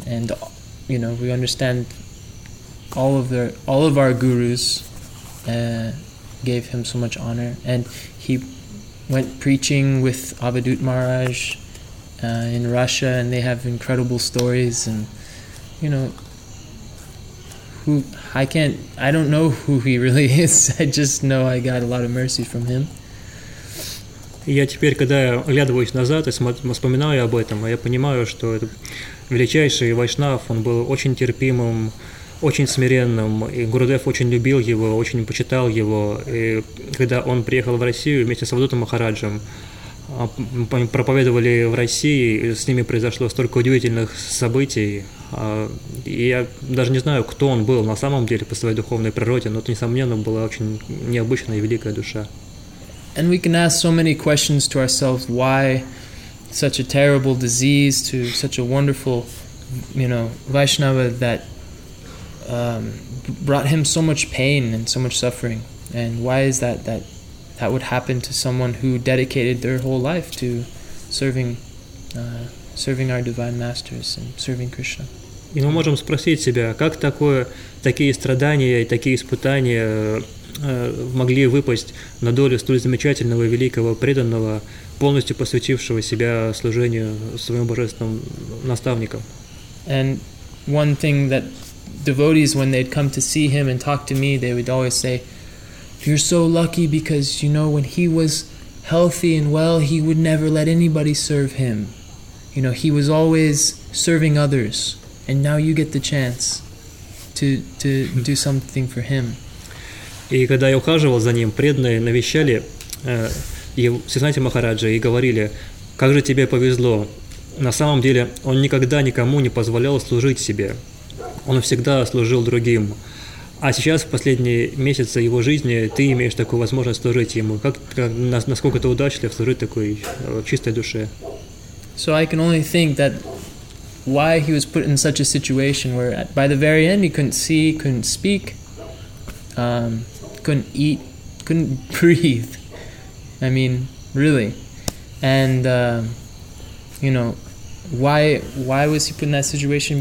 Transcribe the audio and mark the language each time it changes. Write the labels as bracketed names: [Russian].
[English] And, you know, we understand all of our gurus gave him so much honor. And he went preaching with Avadhut Maharaj in Russia, and they have incredible stories. And, you know, I don't know who he really is. I just know I got a lot of mercy from him. [Russian] Я теперь, когда я оглядываюсь назад и вспоминаю об этом, я понимаю, что это величайший вайшнав, он был очень терпимым, очень смиренным, и Гурудев очень любил его, очень почитал его. И когда он приехал в Россию вместе с Авадутом Махараджем, проповедовали в России, с ними произошло столько удивительных событий, и я даже не знаю, кто он был на самом деле по своей духовной природе, но это, несомненно, была очень необычная и великая душа. [English] And we can ask so many questions to ourselves, why such a terrible disease to such a wonderful, you know, Vaishnava that brought him so much pain and so much suffering. And why is that that would happen to someone who dedicated their whole life to serving our divine masters and serving Krishna? [Russian] И мы можем спросить себя, как такие страдания и такие испытания могли выпасть на долю столь замечательного и великого преданного, полностью посвятившего себя служению своему божественному наставнику. [English] And one thing that devotees, when they'd come to see him and talk to me, they would always say, "You're so lucky because, you know, when he was healthy and well, he would never let anybody serve him. You know, he was always serving others, and now you get the chance to do something for him." [Russian] И когда я ухаживал за ним, преданные навещали Сиддханти Махараджа и говорили: «Как же тебе повезло! На самом деле он никогда никому не позволял служить себе. Он всегда служил другим. А сейчас, в последние месяцы его жизни, ты имеешь такую возможность служить ему. Насколько это удачно служить такой чистой душе?» [English] So I can only think that why he was put in such a situation where by the very end he couldn't see, couldn't speak, couldn't eat, couldn't breathe. I mean, really. And you know, why was he put in that situation?